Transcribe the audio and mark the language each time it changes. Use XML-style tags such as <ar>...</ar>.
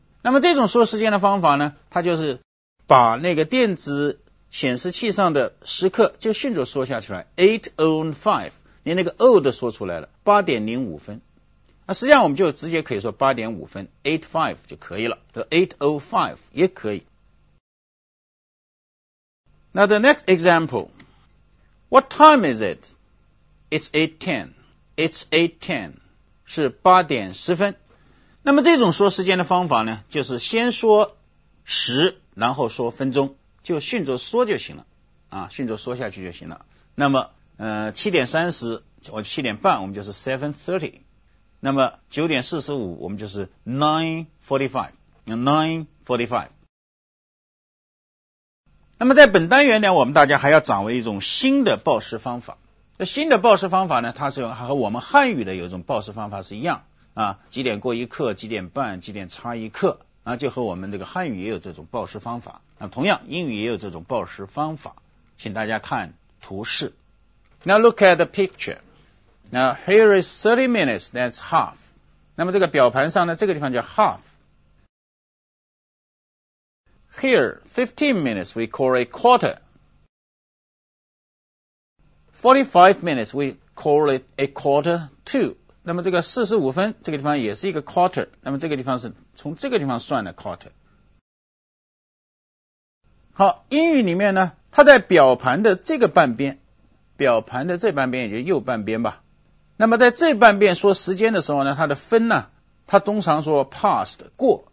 <zh>那么这种说时间的方法呢，它就是把那个电子显示器上的时刻就迅速说下去了 8:05, 连那个 O 都说出来了 ,8:05 分。那实际上我们就直接可以说 8:05 分 ,8:05 就可以了，就 8:05 也可以。</zh> <en>Now the next example, what time is it? It's 8:10, it's 8:10,</en> <zh>是8:10。那么这种说时间的方法呢，就是先说时，然后说分钟，就迅速说就行了，啊，迅速说下去就行了。那么，7:30或7:30，我们就是 7:30。那么9:45，我们就是 9:45。那么在本单元呢，我们大家还要掌握一种新的报时方法。这新的报时方法呢，它是和我们汉语的有一种报时方法是一样啊，几点过一刻，几点半，几点差一刻啊，就和我们这个汉语也有这种报时方法。那同样，英语也有这种报时方法。请大家看图示。</zh> <en>Now look at the picture. Now here is 30 minutes. That's half.</en> <zh>那么这个表盘上呢，这个地方叫 half。</zh> <en>Here, 15 minutes, we call a quarter. 45 minutes, we call it a quarter too.</en> <zh>那么这个45分，这个地方也是一个 quarter. 那么这个地方是从这个地方算的 quarter. 好，英语里面呢，它在表盘的这个半边，表盘的这半边也就是右半边吧。那么在这半边说时间的时候呢，它的分呢，它通常说 past, 过。</zh>